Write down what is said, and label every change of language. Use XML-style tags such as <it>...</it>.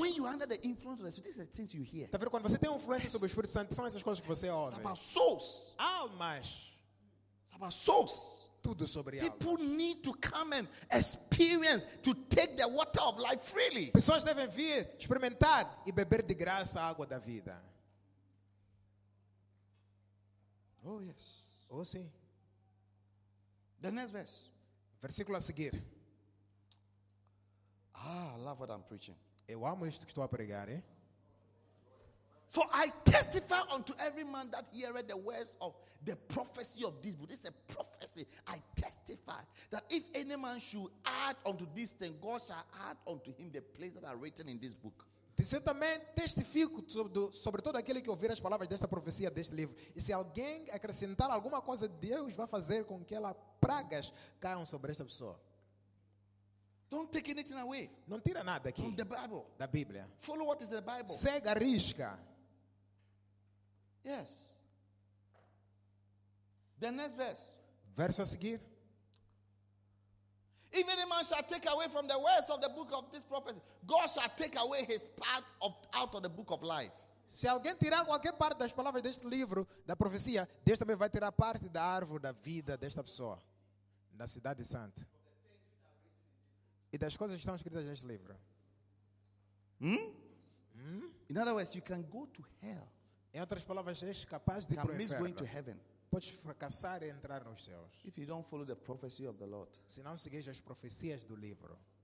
<en>When you are under the influence of the Spirit, these are the things you hear.</en> <pt>Está vendo? Quando você tem uma influência sobre o Espírito Santo, são essas coisas que você ouve.</pt> <en>It's about souls.</en> <pt>Almas.</pt> <en>It's about souls.</en> <pt>Tudo sobre almas.</pt> <en>People need to come and experience to take the water of life freely.</en> <pt>Pessoas devem vir experimentar e beber de graça a água da vida.</pt> <en>Oh yes.</en> <pt>Oh sim.</pt> <en>The next verse.</en> <pt>Versículo a seguir.</pt> <en>Ah, I love what I'm preaching.</en> <pt>Eu amo isto que estou a pregar, eh?</pt> <en>For I testify unto every man that heareth the words of the prophecy of this book. This is a prophecy. I testify that if any man should add unto this thing, God shall add unto him the plagues that are written in this book.</en> <pt>Disse também, testifico sobre todo aquele que ouvir as palavras desta profecia, deste livro. E se alguém acrescentar alguma coisa, Deus vai fazer com que elas pragas caiam sobre esta pessoa.</pt> <en>Don't take anything away.</en> <pt>Não tira nada aqui.</pt> <en>From the Bible.</en> <pt>Da Bíblia.</pt> <en>Follow what is the Bible.</en> <pt>Segue a risca.</pt> <en>Yes. The next verse.</en> <pt>Verso a seguir.</pt> <en>If any man shall take away from the words of the book of this prophecy, God shall take away his part of out of the book of life.</en> <pt>Se alguém tirar qualquer parte das palavras deste livro da profecia, Deus também vai tirar parte da árvore da vida desta pessoa na cidade santa. E das coisas que estão escritas neste livro.</pt> <en>In other words, you can go to hell.</en> <pt>Em outras palavras, és capaz de ir para o inferno.</pt> <en>Going to heaven.</en> <pt>Podes fracassar e entrar nos céus.</pt> <en>If you don't follow the prophecy of the Lord.</en> <pt>Se não seguires as profecias do livro.</pt>